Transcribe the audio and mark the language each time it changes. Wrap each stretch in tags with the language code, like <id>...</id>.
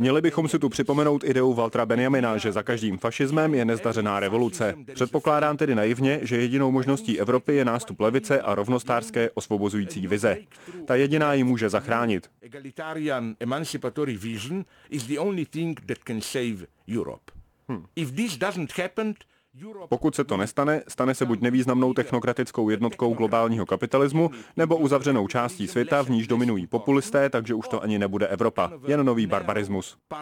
<cs>Měli bychom si tu připomenout ideu Waltera Benjamina, že za každým fašismem je nezdařená revoluce. Předpokládám tedy naivně, že jedinou možností Evropy je nástup levice a rovnostářské osvobozující vize. Ta jediná ji může zachránit.</cs> <en>Egalitarian emancipatory vision is the only thing that can save Europe. If this doesn't happen...</en> <cs>Pokud se to nestane, stane se buď nevýznamnou technokratickou jednotkou globálního kapitalismu, nebo uzavřenou částí světa, v níž dominují populisté, takže už to ani nebude Evropa, jen nový barbarismus.</cs>